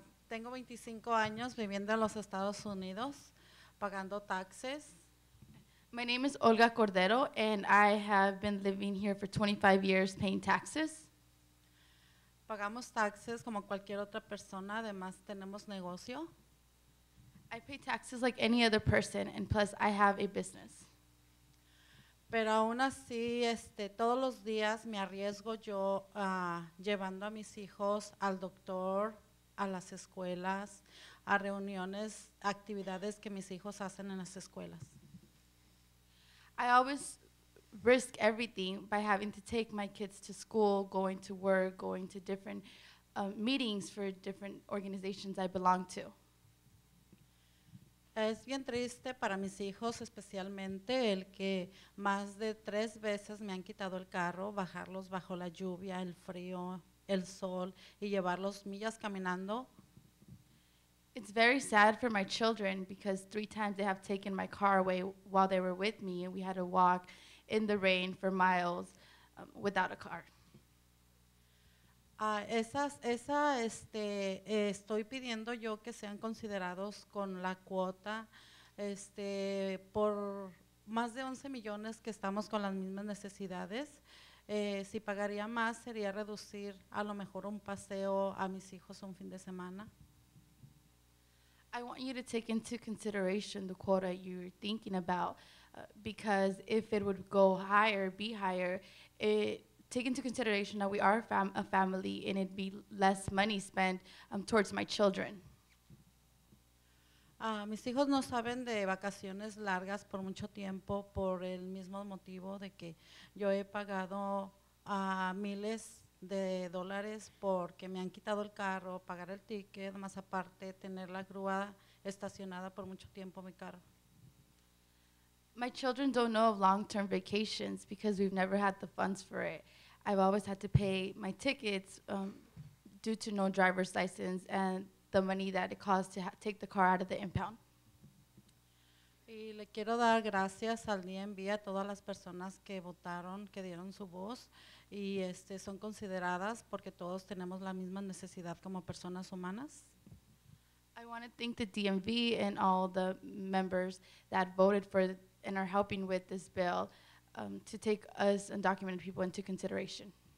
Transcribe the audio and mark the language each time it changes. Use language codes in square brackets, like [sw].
[es] Tengo 25 años viviendo en los Estados Unidos, pagando taxes. [en] My name is Olga Cordero, and I have been living here for 25 years paying taxes. [es] Pagamos taxes como cualquier otra persona, además tenemos negocio. [en] I pay taxes like any other person, and plus I have a business. [es] Pero aún así, todos los días me arriesgo yo llevando a mis hijos al doctor, a las escuelas, a reuniones, actividades que mis hijos hacen en las escuelas. [en] I always risk everything by having to take my kids to school, going to work, going to different meetings for different organizations I belong to. [es] Es bien triste para mis hijos, especialmente el que más de tres veces me han quitado el carro, bajarlos bajo la lluvia, el frío, el sol, y llevarlos millas caminando. [en] It's very sad for my children because three times they have taken my car away while they were with me and we had to walk in the rain for miles without a car. [es] Estoy pidiendo yo que sean considerados con la cuota por más de 11 millones que estamos con las mismas necesidades. Si pagaría más sería reducir a lo mejor un paseo a mis hijos un fin de semana. [en] I want you to take into consideration the quota you're thinking about because if it would go higher, be higher, take into consideration that we are a family and it'd be less money spent towards my children. [es] Mis hijos no saben de vacaciones largas por mucho tiempo por el mismo motivo de que yo he pagado miles de dólares porque me han quitado el carro, pagar el ticket, más aparte tener la grúa estacionada por mucho tiempo mi carro. [en] My children don't know of long-term vacations because we've never had the funds for it. I've always had to pay my tickets due to no driver's license and the money that it costs to take the car out of the impound. [es] Y le quiero dar gracias al DMV a todas las personas que votaron, que dieron su voz. Y son consideradas porque todos tenemos la misma necesidad como personas humanas. [en] I want to thank the DMV and all the members that voted for and are helping with this bill to take us undocumented people into consideration.